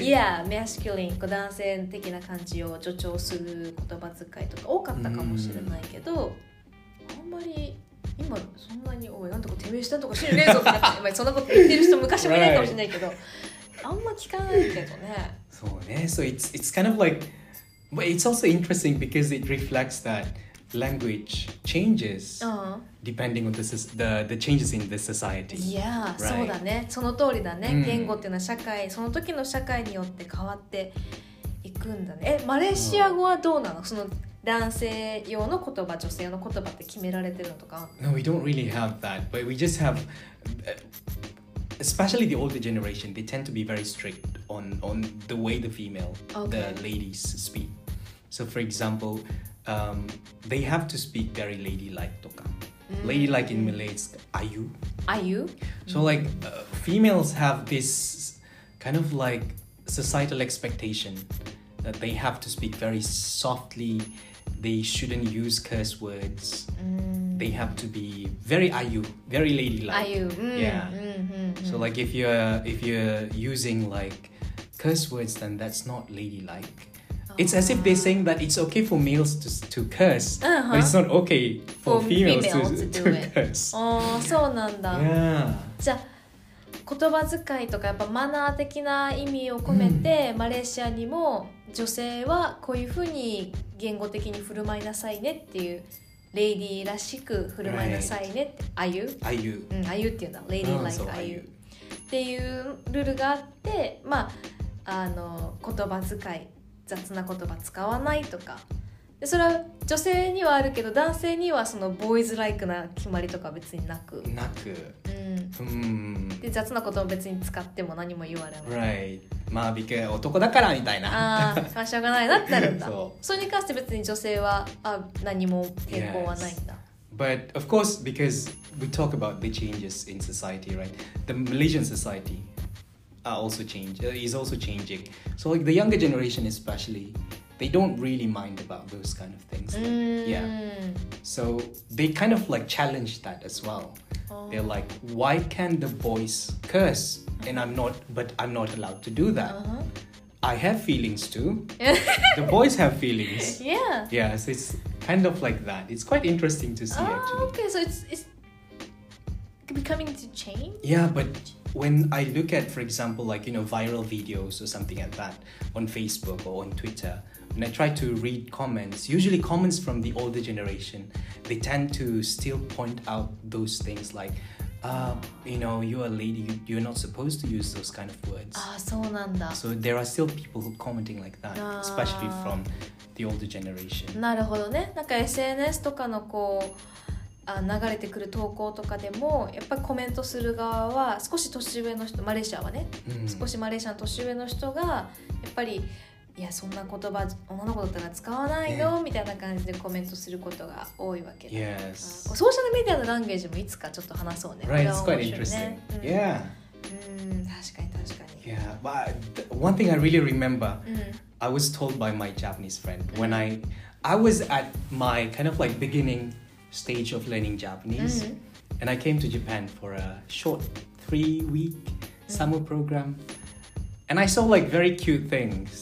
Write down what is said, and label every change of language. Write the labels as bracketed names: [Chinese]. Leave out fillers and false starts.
[Japanese] yeah、masculine、こう男性的な感じを助長する言葉遣いとか多かったかもしれないけど、あんまり今そんなにおいなんとかてめえしたとかしてんじゃねえぞみたいな、まあそんなこと言ってる人昔もいないかもしれないけど、あんま聞かないけどね。そうね、 [English] so it's kind of like、but it's also interesting because it reflects that。 Language changes depending on the changes in the society. Yeah, right? [Japanese] そうだね。その通りだね。Mm. 言語っていうのは社会、その時の社会によって変わっていくんだね。え、マレーシア語はどうなの？その男性用の言葉、女性用の言葉って決められてるのとか？ [English] No, we don't really have that. But we just have, especially the older generation, they tend to be very strict on the way the female, the ladies speak. So, for example,they have to speak very ladylike [Japanese] とか、 [English] ladylike in Malay is ayu. [Malay] Ayu. [English] So like females have this kind of like societal expectation that they have to speak very softly. They shouldn't use curse words. They have to be very ayu, very ladylike. [Malay] Ayu. Yeah. [English] So like if you're using like curse words, then that's not ladylike. It's as if they're saying that it's okay for males to curse,、 uh-huh. but it's not okay for females to curse. [Japanese] Oh, そうなんだ。 Yeah. じゃあ、言葉遣いとかやっぱマナー的な意味を込めて、mm. マレーシアにも女性はこういうふうに言語的に振る舞いなさいねっていう、レイディーらしく振る舞いなさいねって、あゆ、あゆ、あゆっていうんだ、レイディーライクあゆっていうルールがあって、まあ、言葉遣い。雑な言葉使わないとか、でそれは女性にはあるけど、男性にはそのボーイズライクな決まりとか別になく、で雑なことも別に使っても何も言われない、 [English] right. [Japanese] まあビケ男だからみたいな、あしょうがないなってあるんだ。そう、それに関して別に女性はあ何も抵抗はないんだ、 [English] yes. but of course because we talk about the changes in society, right? The Malaysian societyis also changing. So like the younger generation especially, they don't really mind about those kind of things. Like, yeah. So they kind of like challenge that as well. They're like, why can the boys curse? And I'm not allowed to do that. I have feelings too. The boys have feelings. Yeah. Yeah, so it's kind of like that. It's quite interesting to see actually. Okay, so it's becoming to change? Yeah, but... When I look at, for example, like, you know, viral videos or something like that on Facebook or on Twitter, when I try to read comments, usually comments from the older generation, they tend to still point out those things like, you know, you're a lady, you're not supposed to use those kind of words. [Japanese] Ah, そうなんだ。 [English] So there are still people who are commenting like that, especially from the older generation. [Japanese] なるほどね。なんか SNS とかのこう、流れてくる投稿とかでもやっぱりコメントする側は少し年上の人、マレーシアはね、少しマレーシアの年上の人がやっぱりいやそんな言葉女の子だったら使わないよみたいな感じでコメントすることが多いわけ、 [English] yes. [Japanese] ソーシャルメディアのランゲージもいつかちょっと話そうね、 [English] right. It's quite interesting. [Japanese] Yeah. 確かに確かに。 [English] Yeah, but one thing I really remember、I was told by my Japanese friend when I was at my kind of like beginningstage of learning Japanese、and I came to Japan for a short 3-week、summer program and I saw like very cute things.